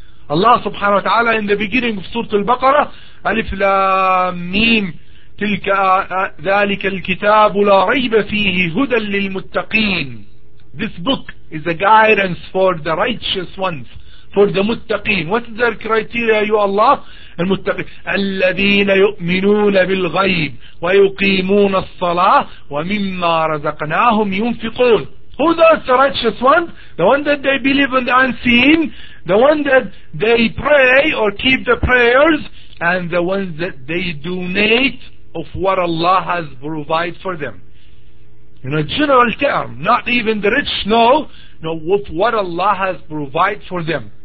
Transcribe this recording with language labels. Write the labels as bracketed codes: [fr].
[en] Allah subhanahu wa ta'ala in the beginning of Surah Al-Baqarah, Alif Lam Mim, [ar] ذلك الكتاب لا ريب فيه هدى للمتقين. [en] This book is a guidance for the righteous ones, for the muttaqeen. What is their criteria, you Allah? [ar] الذين يؤمنون بالغيب ويقيمون الصلاة ومما رزقناهم ينفقون. [en] Who are the righteous ones? The one that they believe in the unseen, the one that they pray or keep the prayers, and the ones that they donate of what Allah has provided for them. In a general term, not even the rich, no, of what Allah has provided for them.